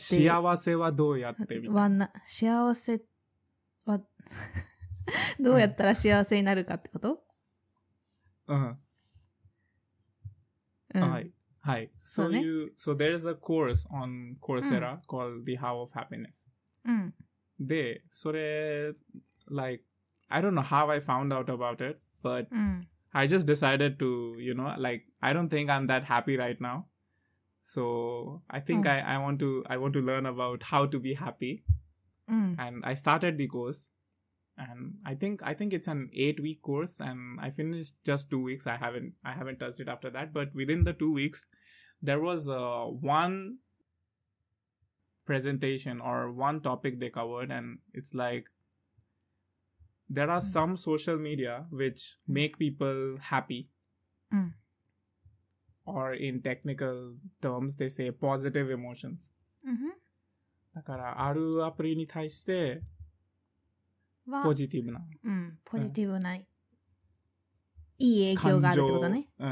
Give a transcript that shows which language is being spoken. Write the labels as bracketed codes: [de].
[ja] 幸せはどうやってみたいな。幸せってどうやったら幸せになるかってこと？はい。 [en] So you, so there is a course on Coursera called The How of Happiness. で、それ、like, I don't know how I found out about it, but I just decided to, you know, like, I don't think I'm that happy right now. So I think I want to learn about how to be happy. And I started the course, and I think it's an 8-week course, and I finished just 2 weeks. I haven't touched it after that, but within the 2 weeks, there was one presentation or one topic they covered, and it's like, there are some social media which make people happy, or in technical terms, they say positive emotions. [ja] だから、あるアプリに対して、ポジティブな。ポジティブな、いい影響があるってことね。